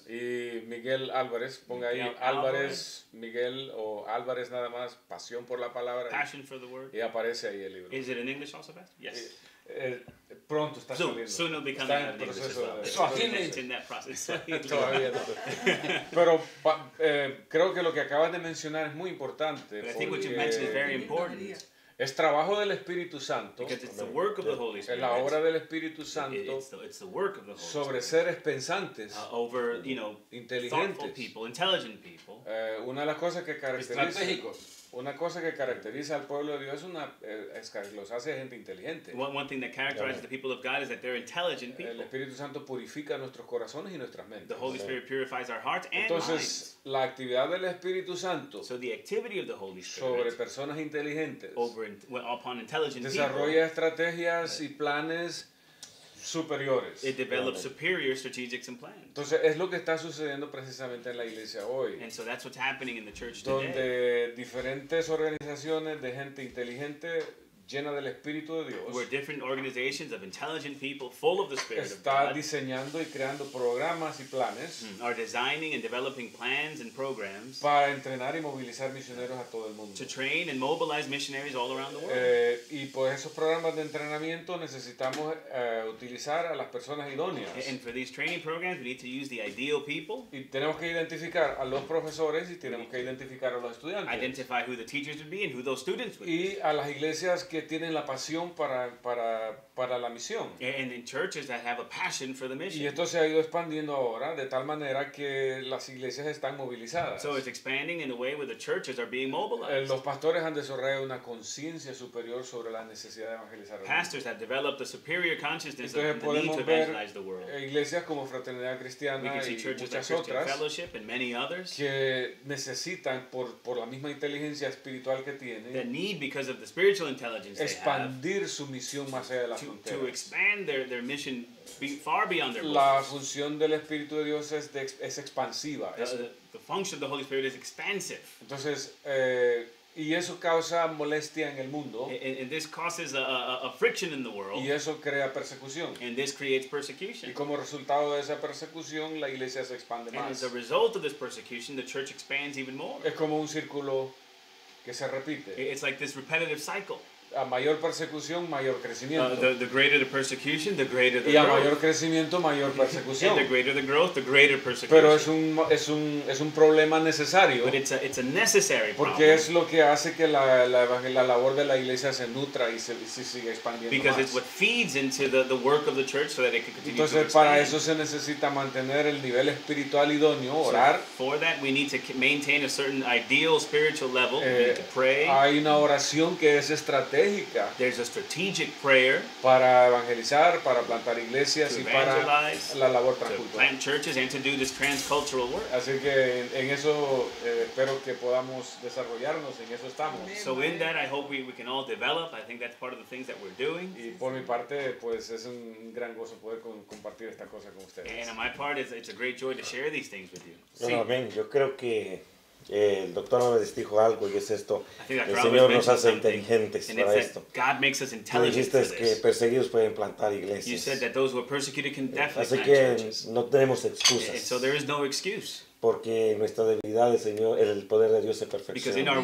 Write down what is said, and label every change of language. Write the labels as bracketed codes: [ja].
[es] Y Miguel Alvarez, ponga ahí Alvarez, Miguel o Alvarez nada más, Pasión por la Palabra. [en] Passion for the Word. [es] Y aparece ahí el libro. [en] Is it in English also, Pastor? Yes. [es] Pronto está [en] soon, [es] saliendo. [en] Soon it'll be coming out in English as well. So I didn't in that process. [es] Todavía no. Pero creo que lo que acabas de mencionar es muy importante. [en] But I think what you mentioned is very important. [es] Es trabajo del Espíritu Santo, es la obra del Espíritu Santo sobre seres pensantes, [en] over, you know, [es] inteligentes. [en] People, intelligent people. [es] Una cosa que caracteriza al pueblo de Dios es una es que los hace gente inteligente. [en] One thing that characterizes the people of God is that they're intelligent people. [es] El Espíritu Santo purifica nuestros corazones y nuestras mentes. [en] The Holy Spirit purifies our hearts and [es] entonces, [en] minds. [es] Entonces la actividad del Espíritu Santo, [en] so the activity of the Holy Spirit, [es] sobre personas inteligentes, [en] over upon intelligent [es] desarrolla [en] people, [es] estrategias y planes superiores. [en] It develops superior strategies and plans. [es] Entonces es lo que está sucediendo precisamente en la iglesia hoy. [en] And so that's what's happening in the church [es] donde [en] today. [es] Donde diferentes organizaciones de gente inteligente llena del Espíritu de Dios. [en] Where different organizations of intelligent people full of the Spirit of God. [es] Está diseñando y creando programas y planes. [en] Are designing and developing plans and programs. [es] Para entrenar y movilizar misioneros a todo el mundo. [en] To train and mobilize missionaries all around the world. [es] Y pues esos programas de entrenamiento necesitamos utilizar a las personas idóneas. [en] And for these training programs we need to use the ideal people. [es] Y tenemos que identificar a los profesores y tenemos que identificar a los estudiantes. [en] Identify who the teachers would be and who those students would be. [es] Y a las iglesias que tienen la pasión para la misión. [en] And in churches that have a passion for the mission. [es] Y esto se ha ido expandiendo ahora de tal manera que las iglesias están movilizadas. [en] So it's expanding in a way where the churches are being mobilized. [es] Los pastores han desarrollado una conciencia superior sobre la necesidad de evangelizar el mundo. [en] Pastors have developed a superior consciousness of the need to evangelize the world. [es] Entonces podemos ver iglesias como Fraternidad Cristiana y muchas otras [en] fellowship and many others [es] que necesitan por la misma inteligencia espiritual que tienen. [en] The need because of the spiritual intelligence [es] expandir su misión más allá de las fronteras. [en] To expand their mission far beyond their borders. [es] La función del Espíritu de Dios es expansiva. [en] The function of the Holy Spirit is expansive. [es] Entonces, y eso causa molestia en el mundo. [en] And this causes a friction in the world. [es] Y eso crea persecución. [en] And this creates persecution. [es] Y como resultado de esa persecución, la iglesia se expande [en] and [es] más. [en] And as a result of this persecution, the church expands even more. [es] Es como un círculo que se repite. [en] It's like this repetitive cycle. [es] A mayor persecución, mayor crecimiento. [en] The greater the persecution, the greater the [es] y a [en] growth. [es] Mayor crecimiento, mayor persecución. [en] And the greater the growth, the greater persecution. [es] Pero es un problema necesario. [en] But it's a necessary problem. [es] Porque es lo que hace que la labor de la iglesia se nutra y se siga expandiendo. [en] Because [es] más. [en] It's what feeds into the work of the church so that it can continue. [es] Entonces, [en] to expand. [es] Para eso se necesita mantener el nivel espiritual idóneo, orar. [en] So for that we need to maintain a certain ideal spiritual level. We need to pray. [es] Hay una oración que es estratégica. estratégica. [en] There's a strategic prayer [es] para evangelizar, para plantar iglesias y para la labor transcultural. [en] To plant churches and to do this transcultural work. [es] Así que en eso espero que podamos desarrollarnos, en eso estamos. [en] So in that I hope we can all develop. I think that's part of the things that we're doing. [es] Y por mi parte, pues es un gran gozo poder compartir esta cosa con ustedes. [en] And on my part, it's a great joy to share these things with you. [es] Bueno, amén. Yo creo que el doctor Alvarez dijo algo y es esto: el Señor nos hace inteligentes para esto. Tú dijiste que perseguidos pueden plantar iglesias. Así que no tenemos excusas. Porque en nuestra debilidad el poder de Dios se perfecciona.